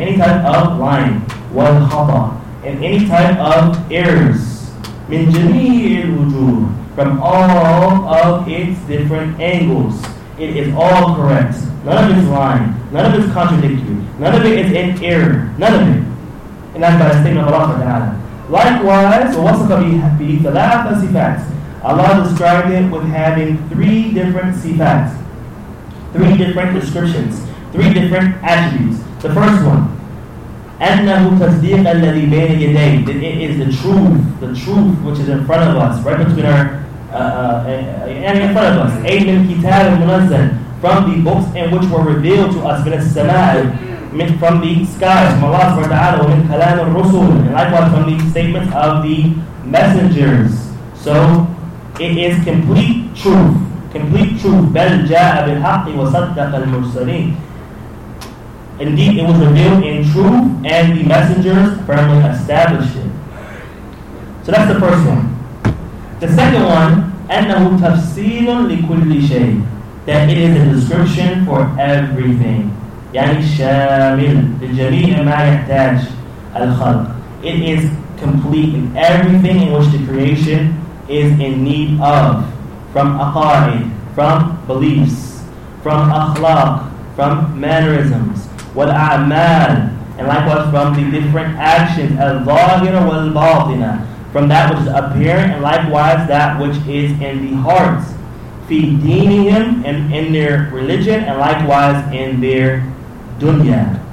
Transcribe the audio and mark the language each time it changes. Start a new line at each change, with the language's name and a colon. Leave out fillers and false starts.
English: Any type of lying.
Arabic: وَالْخَطَى.
English: And any type of errors.
Arabic: مِنْ جَمِيعِ الْوُجُودِ.
English: From all of its different angles. It is all correct. None of it is lying. None of it is contradictory. None of it is in error. None of it. And that's by the statement of Allah Ta'ala. Likewise,
Arabic: وَوَصَفَ بِهِ ثَلَاثَ صِفَاتٍ.
English: Allah described it with having three different sifats, three different descriptions, three different attributes. The first one,
Arabic: أَنَّهُ تَصْدِيقَ الَّذِي بَيْنَ يَدَيْهِ.
English: That it is the truth which is in front of us, right between our, and in front of us.
Arabic: أَيْمِنْ كِتَابِ مُنَزَّلٍ.
English: From the books in which were revealed to us,
Arabic: مِنَ السَّمَاءِ.
English: From the skies, from Allah subhanahu wa ta'ala,
Arabic: وَمِنْ كَلَامِ الرُّسُولِ.
English: And likewise from the statements of the messengers. So, it is complete truth. Complete truth.
Arabic: بَلْ جَاءَ بِالْحَقِّ وَصَدَّقَ الْمُرْسَلِينَ.
English: Indeed, it was revealed in truth, and the messengers firmly established it. So that's the first one. The second one,
Arabic: أَنَّهُ تَفْصِيلٌ لِكُلِّ شَيْءٍ.
English: That it is a description for everything.
Arabic: يَعْنِي شَامِلٌ لِلْجَمِيعِ مَا يَحْتَاجُ الْخَلْقِ.
English: It is complete in everything in which the creation is in need of, from aqaid, from beliefs, from akhlaq, from mannerisms, wal a'mal, and likewise from the different actions, al zahir wal batina, from that which is apparent, and likewise that which is in the hearts, fi dinihim, and in their religion, and likewise in their dunya.